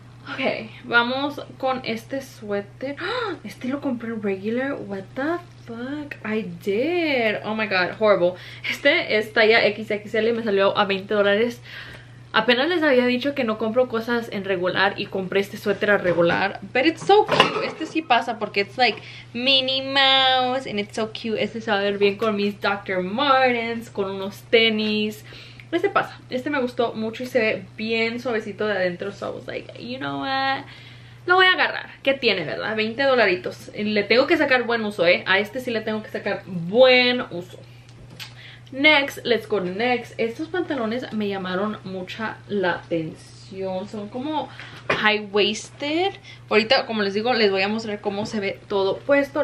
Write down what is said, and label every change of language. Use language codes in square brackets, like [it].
[es] Ok, vamos con este suéter. ¡Oh! Este lo compré en regular. [en] What the fuck? I did. Oh my god, horrible. [es] Este es talla XXL y me salió a $20. Apenas les había dicho que no compro cosas en regular y compré este suéter a regular. [en] But it's so cute. [es] Este sí pasa porque [en] it's like Minnie Mouse and it's so cute. [es] Este se va a ver bien con mis Dr. Martens, con unos tenis. Este pasa, este me gustó mucho y se ve bien suavecito de adentro. [en] So I was like, you know what, [es] lo voy a agarrar. ¿Qué tiene, verdad? $20. Le tengo que sacar buen uso, ¿eh? A este sí le tengo que sacar buen uso. [en] Next, let's go next. [es] Estos pantalones me llamaron mucha la atención. Son como high-waisted. Ahorita, como les digo, les voy a mostrar cómo se ve todo puesto.